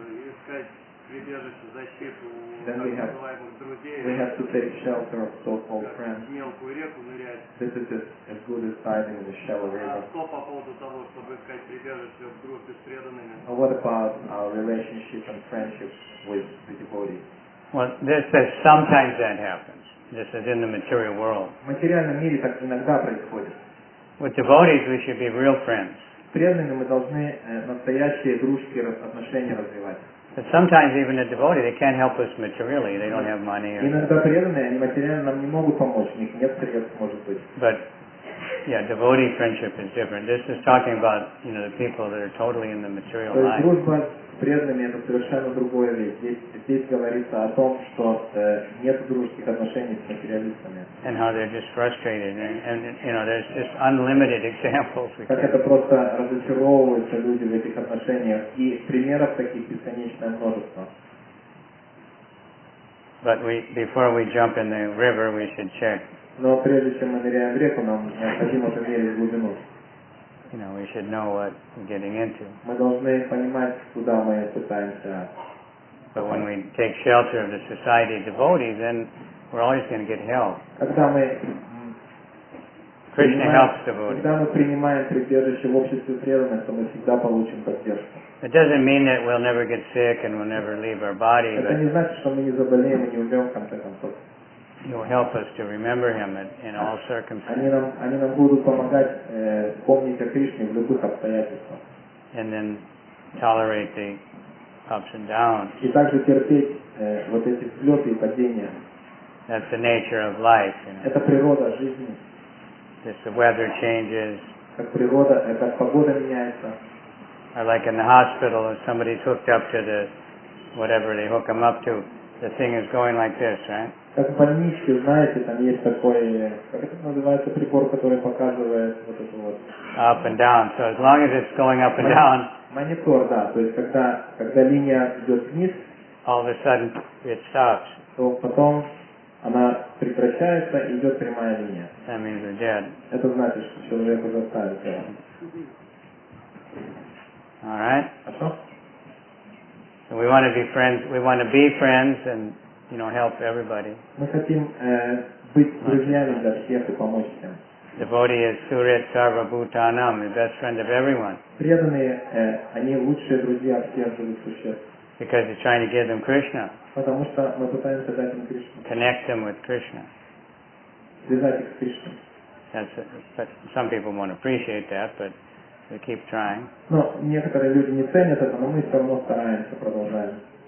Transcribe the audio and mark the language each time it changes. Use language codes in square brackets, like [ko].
[ru] искать прибежище, защиту у так называемых друзей. [en] We have to take shelter of so-called friends. [ru] Мелкую реку нырять. [en] This is just as good as diving in the shallow river. [ru] А что по поводу того, чтобы искать прибежище в группе с преданными? [en] What about our relationship and friendship with the devotees? Well, this says sometimes that happens. This is in the material world. [ru] В материальном мире так иногда происходит. [en] With devotees, we should be real friends. [ru] С преданными мы должны настоящие дружеские отношения развивать. [en] But sometimes even a devotee, they can't help us materially. They don't have money. [ru] Иногда преданные, они материально нам не могут помочь. У них нет средств, может быть. [en] But yeah, devotee friendship is different. This is talking about, you know, the people that are totally in the material life. [ru] То есть дружба с преданными — это совершенно другое вещь. Здесь говорится о том, что нет дружеских отношений с материалистами. [en] And how they're just frustrated, and you know, there's just unlimited examples. [ru] Как это просто разочаровываются люди в этих отношениях, и примеров таких бесконечное множество. [en] But before we jump in the river, we should check. [ru] Но прежде чем мы ныряем в реку, нам необходимо померить глубину. [en] You know, we should know what we're getting into. [ru] Мы должны понимать, куда мы пытаемся. [en] But when we take shelter of the society of devotees, then we're always going to get help. [ru] Когда мы [en] Krishna helps devotees. [ru] Когда мы принимаем прибежище в обществе преданных, то мы всегда получим поддержку. [en] It doesn't mean that we'll never get sick and we'll never leave our body. [ru] Это не значит, что мы не заболеем и не умрем в конце концов. [en] He will help us to remember him in all circumstances. [ru] Они нам будут помогать помнить о Кришне в любых обстоятельствах. [en] And then tolerate the ups and downs. [ru] И также терпеть вот эти взлеты и падения. [en] That's the nature of life. You know. [ru] Это природа жизни. [en] If the weather changes. [ru] Как природа, как погода меняется. [en] Or like in the hospital, if somebody's hooked up to the whatever they hook them up to, the thing is going like this, right? [ru] Как в больничке, знаете, там есть такой, как это называется, прибор, который показывает вот это вот. [en] Up and down. So as long as it's going up and down. [ru] Монитор, да. То есть когда линия идет вниз. [en] All of a sudden it stops. [ru] То потом она прекращается и идет прямая линия. [en] That means we're dead. [ru] Это значит, что человек уже ставит его. [en] All right. [ru] Хорошо. [en] So we want to be friends. We want to be friends and. You know, help everybody. [ru] Мы хотим быть друзьями для всех и помочь всем. [en] Devotee is [sa] Surat Sarva Bhutanam, [en] the best friend of everyone. [ru] Преданные, они лучшие друзья всех живых существ. [en] Because he's trying to give them Krishna. [ru] Потому что мы пытаемся дать им Кришну. [en] Connect them with Krishna. [ru] Связать их с Кришной. [en] But some people won't appreciate that, but they keep trying. [ru] Но некоторые люди не ценят это, но мы все равно стараемся, продолжаем.